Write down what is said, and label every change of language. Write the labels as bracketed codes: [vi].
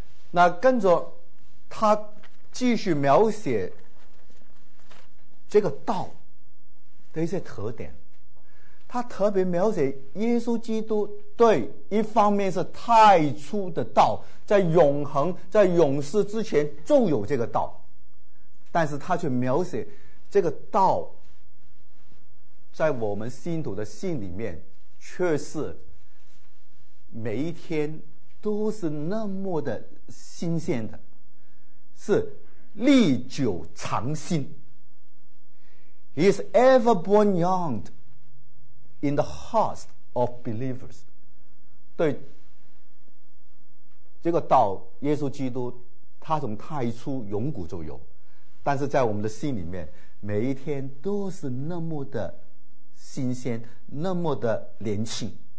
[zh] 那跟着他继续描写这个道的一些特点，他特别描写耶稣基督，对，一方面是太初的道，在永恒在永世之前就有这个道，但是他却描写这个道在我们信徒的心里面却是每一天都是那么的新鲜的，是历久常新。 [en] He is ever born young in the hearts of believers。 [zh] 对这个道，耶稣基督他从太初永古就有，但是在我们的心里面每一天都是那么的新鲜，那么的年轻。